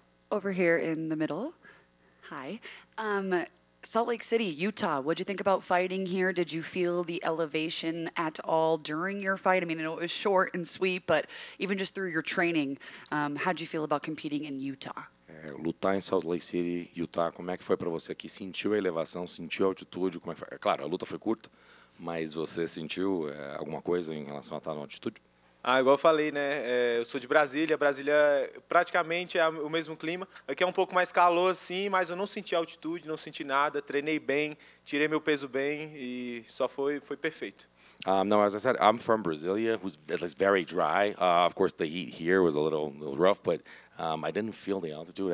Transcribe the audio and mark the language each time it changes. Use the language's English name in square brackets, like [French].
[English] Over here in the middle. Hi. Salt Lake City, Utah, what'd you think about fighting here? Did you feel the elevation at all during your fight? I mean, I know it was short and sweet, but even just through your training, how'd you feel about competing in Utah? [Portuguese] lutar em Salt Lake City, Utah, como é que foi para você aqui? Sentiu a elevação, sentiu a altitude? Como é que foi? É claro, a luta foi curta, mas você sentiu alguma coisa em relação a estar na altitude? Ah, igual eu falei, né? Eu sou de Brasília, Brasília praticamente é o mesmo clima. Aqui é um pouco mais calor, sim, mas eu não senti altitude, não senti nada, treinei bem, tirei meu peso bem e só foi perfeito. [English] No, as I said, I'm from Brasilia, it's very dry. Of course, the heat here was a little rough, but I didn't feel the altitude.